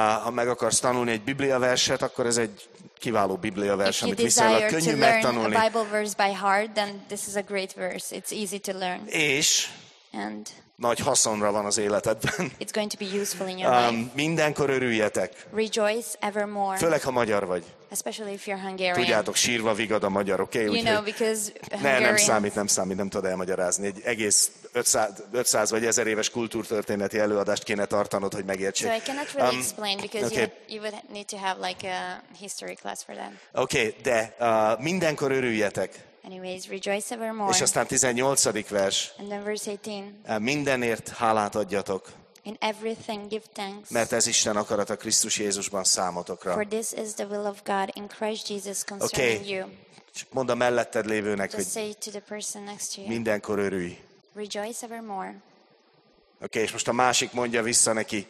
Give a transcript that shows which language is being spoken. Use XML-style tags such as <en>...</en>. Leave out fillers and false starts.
<hu>Ha meg akarsz tanulni egy Biblia verset, akkor ez egy kiváló Biblia vers, amit viszonylag könnyű megtanulni.</hu> <en>Bible verse by heart, then this is a great verse. It's easy to learn.</en> <hu>És</hu> <en>and</en> <hu>nagy haszonra van az életedben.</hu> <en>It's going to be useful in your life.</en> <hu>Mindenkor örüljetek.</hu> <en>Rejoice evermore.</en> <hu>Főleg ha magyar vagy.</hu> <en>Especially if you're Hungarian.</en> <hu>Tudjátok, sírva vigad a magyar, oké?</hu> <en>You know, because Hungarians...</en> <hu>Nem számít, nem tudod elmagyarázni. Egy egész 500 vagy 1000 éves kultúrtörténeti előadást kéne tartanod, hogy megértsék.</hu> <en>So I cannot really explain, because okay. You would need to have like a history class for them.</en> <hu>Okay, de mindenkor örüljetek.</hu> <en>Anyways, rejoice evermore.</en> <hu>És aztán 18. vers.</hu> <en>And then verse 18.</en> <hu>Mindenért hálát adjatok.</hu> <en>In everything give thanks.</en> <hu>Mert ez Isten akarata Krisztus Jézusban számotokra.</hu> <en>For this is the will of God in Christ Jesus concerning okay. You.</en> <hu>Okay. Mondd a melletted lévőnek,</hu> <en>just say to the person next to you.</en> <hu>Mindenkor örülj.</hu> <en>Rejoice evermore.</en> <hu>Okay, és most a másik mondja vissza neki.</hu>